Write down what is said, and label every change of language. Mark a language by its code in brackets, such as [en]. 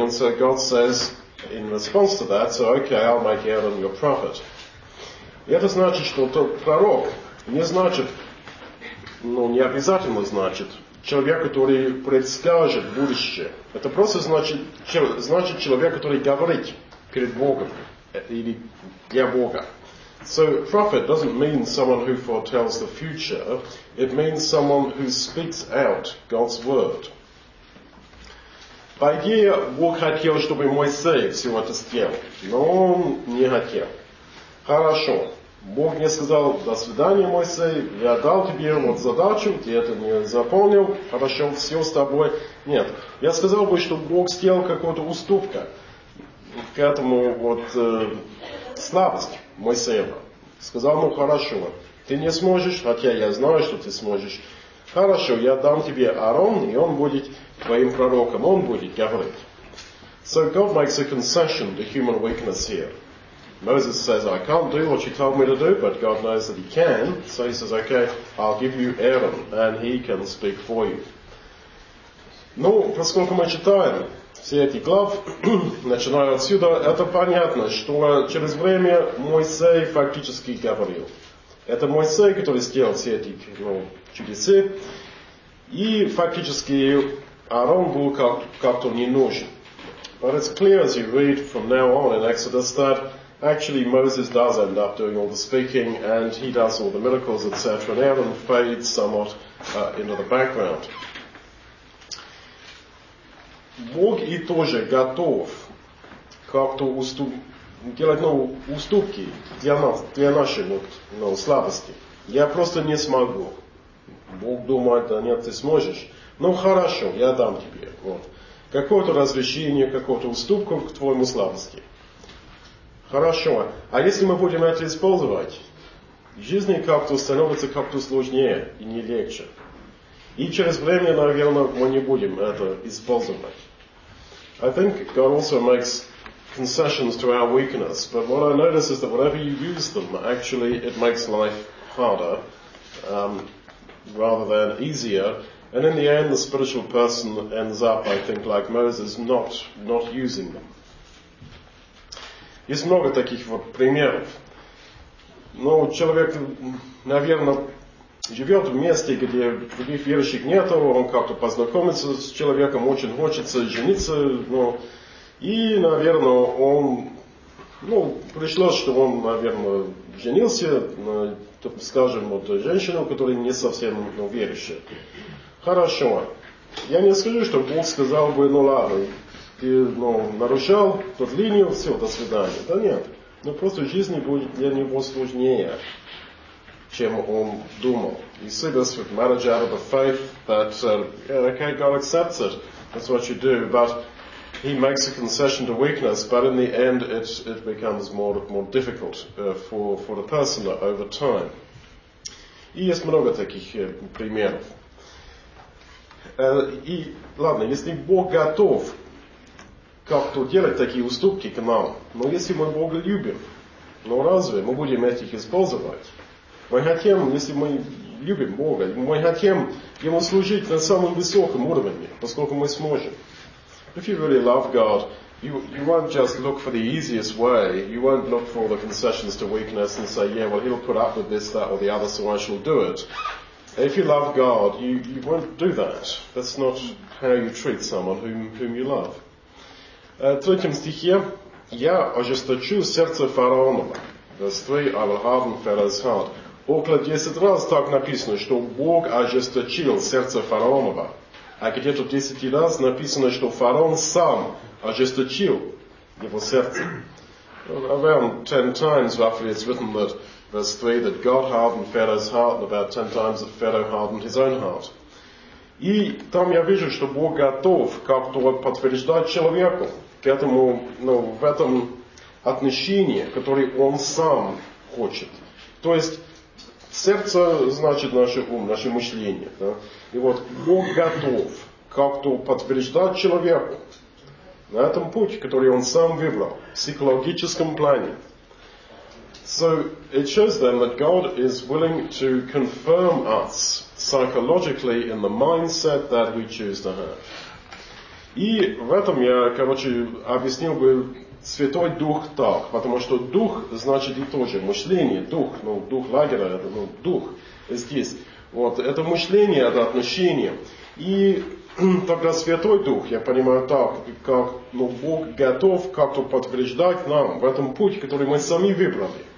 [en] And so God says in response to that, so okay, I'll make Aaron your prophet. [ru] И это значит, что пророк не значит, ну не обязательно значит, человек, который предскажет будущее. Это просто значит человек, который говорит перед Богом или для Бога. [en] So prophet doesn't mean someone who foretells the future. It means someone who speaks out God's word. [ru] По идее, Бог хотел, чтобы Моисей все это сделал. Но он не хотел. Хорошо. Бог мне сказал, до свидания, Моисей. Я дал тебе вот задачу, ты это не заполнил. Хорошо, все с тобой. Нет. Я сказал бы, что Бог сделал какую-то уступку. К этому вот... слабость Моисеева. Сказал ему, хорошо, ты не сможешь, хотя я знаю, что ты сможешь. Хорошо, я дам тебе Аарон, и он будет твоим пророком. Он будет говорить. [en] So God makes a concession to human weakness here. Moses says, I can't do what you told me to do, but God knows that he can. So he says, okay, I'll give you Aaron, and he can speak for you. [ru] Ну, поскольку мы читаем, все эти глав, начиная отсюда, это понятно, что через время Моисей фактически говорил. Это Моисей, который сделал все эти чудеса, и фактически Аарон был как-то не нужен. [en] But it's clear as you read from now on in Exodus that actually Moses does end up doing all the speaking and he does all the miracles, etc. And Aaron fades somewhat into the background. [ru] Бог и тоже готов как-то делать уступки для нашей слабости. Я просто не смогу. Бог думает, да нет, ты сможешь. Ну хорошо, я дам тебе. Вот. Какое-то разрешение, какую-то уступку к твоему слабости. Хорошо. А если мы будем это использовать, жизнь как-то становится как-то сложнее и не легче. И через время, наверное, мы не будем это использовать. [en] I think God also makes concessions to our weakness, but what I notice is that whenever you use them, actually it makes life harder rather than easier, and in the end the spiritual person ends up, I think, like Moses, not using them. [ru] Есть много таких вот примеров. Но человек, наверное, живет в месте, где других верующих нету, он как-то познакомится с человеком, очень хочется жениться, но И, наверное, он, ну, пришлось, что он, наверное, женился на, скажем, вот, женщину, которая не совсем, ну, верующая. Хорошо. Я не скажу, что Бог сказал бы, ну ладно, ты, ну, нарушал тот линию, все, до свидания. Да нет. Ну просто жизнь будет для него сложнее, чем он думал. [en] He said this with marriage out of the faith that okay, God accepts it. That's what you do. But he makes a concession to weakness, but in the end it becomes more difficult for the person over time. [ru] И есть много таких примеров. И ладно, если Бог готов как-то делать такие уступки к нам, но если мы Бога любим, но разве мы будем этих использовать? Мы хотим, если мы любим Бога, мы хотим Ему служить на самом высоком уровне, поскольку мы сможем. [en] If you really love God, you won't just look for the easiest way, you won't look for the concessions to weakness and say, yeah, well, He'll put up with this, that or the other, so I shall do it. If you love God, you won't do that. That's not how you treat someone whom you love. [ru] В третьем стихе, я ожесточу сердце фараонова. [en] Verse 3, I will harden Pharaoh's heart. [ru] Около 10 раз так написано, что Бог ожесточил сердце фараонова. А где-то 10 раз написано, что фараон сам ожесточил его сердце. [en] Around 10 times roughly it's written that verse 3, that God hardened Pharaoh's heart, and about 10 times that Pharaoh hardened his own heart. [ru] И там я вижу, что Бог готов как-то вот подтверждать человеку к этому, ну, в этом отношении, которое он сам хочет. То есть сердце значит наш ум, наше мышление. Да? И вот Бог готов как-то подтверждать человеку на этом пути, который он сам выбрал, в психологическом плане. [en] So it shows then that God is willing to confirm us psychologically in the mindset that we choose to have. [ru] И в этом я, короче, объяснил бы Святой Дух так, потому что Дух значит и тоже мышление, Дух, ну, Дух лагеря, это, ну, Дух здесь. Вот, это мышление, это отношение. И тогда Святой Дух, я понимаю так, как, ну, Бог готов как-то подтверждать нам в этом путь, который мы сами выбрали.